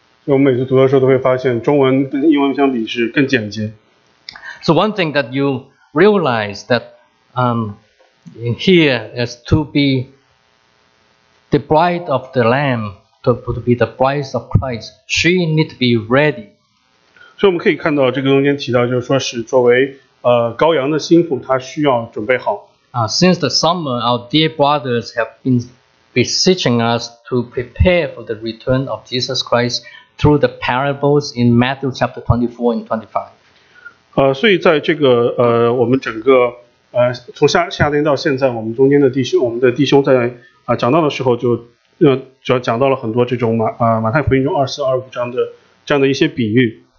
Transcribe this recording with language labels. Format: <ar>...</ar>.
<zh>我们每次读的时候都会发现，中文跟英文相比是更简洁。</zh> <en>So one thing that you realize that here is to be the bride of the Lamb, to be the bride of Christ, she need to be ready.</en> <zh>所以我们可以看到这个中间提到，就是说是作为 羔羊的心腹，他需要准备好。</zh> <en>Since the summer, our dear brothers have been beseeching us to prepare for the return of Jesus Christ through the parables in Matthew chapter 24 and 25.</en> <zh>所以在这个我们整个从夏天到现在，我们中间的弟兄在讲到的时候，就主要讲到了很多这种马太福音中二十二五章的这样的一些比喻。</zh>